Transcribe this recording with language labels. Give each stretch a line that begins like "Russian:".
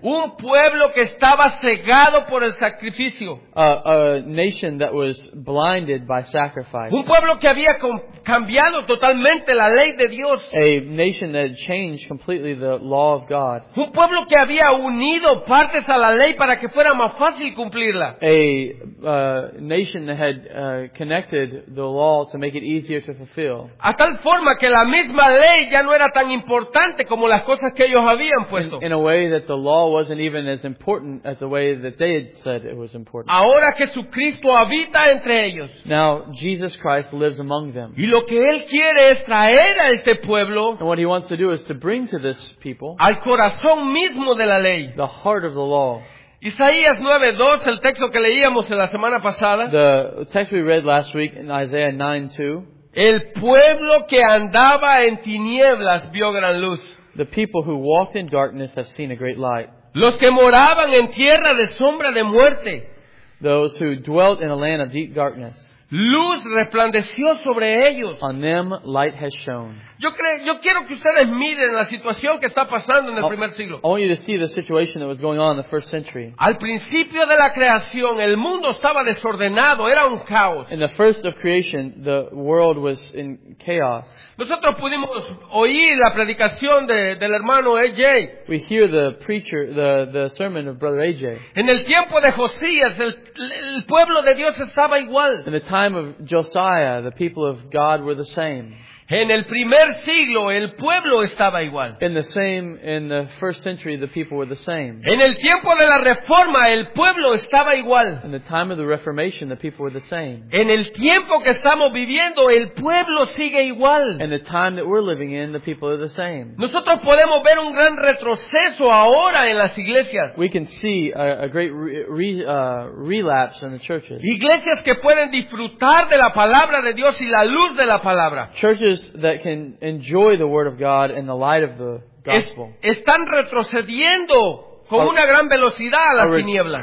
Spanish: Un pueblo que estaba cegado por el sacrificio.
English: A nation that was blinded by sacrifice.
Spanish: Un pueblo que había cambiado totalmente la ley de Dios.
English: A nation that had changed completely the law of God.
Spanish: Un pueblo que había unido partes a la ley para que fuera más fácil cumplirla.
English: A nation that had connected the law to make it easier to fulfill.
Spanish: A tal forma que la misma ley ya no era tan importante como las cosas que ellos habían puesto.
English: In a way that the law wasn't even as important as the way that they had said it was important.
Spanish: Ahora Jesucristo habita entre ellos.
English: Now Jesus Christ lives among them.
Spanish: Y lo que él quiere es traer a este pueblo.
English: And what he wants to do is to bring to this people.
Spanish: Al corazón mismo de la ley.
English: The heart of the law.
Spanish: Isaías 9:2, el texto que leíamos la semana pasada.
English: The text we read last week in Isaiah 9:2.
Spanish: El pueblo que andaba en tinieblas vio gran luz.
English: The people who walked in darkness have seen a great light.
Spanish: Los que moraban en tierra de sombra de muerte.
English: Those who dwelt in a land of deep darkness.
Spanish: Luz resplandeció sobre ellos.
English: On them light has shone.
Spanish: Yo quiero que ustedes miren la situación que está pasando en el primer siglo.
English: I want you to see the situation that was going on in the first century.
Spanish: Al principio de la creación, el mundo estaba desordenado, era un caos.
English: In the first of creation, the world was in chaos.
Spanish: Nosotros pudimos oír la predicación del hermano AJ.
English: We hear the preacher, the sermon of brother AJ.
Spanish: En el tiempo de Josías, el pueblo de Dios estaba igual.
English: In the time of Josiah, the people of God were the same.
Spanish: En el primer siglo el pueblo estaba igual.
English: In the first century the people were the same.
Spanish: En el tiempo de la reforma el pueblo estaba igual.
English: In the time of the reformation the people were the same.
Spanish: En el tiempo que estamos viviendo el pueblo sigue igual.
English: In the time that we're living in the people are the same.
Spanish: Nosotros podemos ver un gran retroceso ahora en las iglesias.
English: We can see a great relapse in the churches.
Spanish: Iglesias que pueden disfrutar de la palabra de Dios y la luz de la palabra.
English: Churches that can enjoy the word of God and the light of the gospel.
Spanish: Están retrocediendo con una gran velocidad a las tinieblas.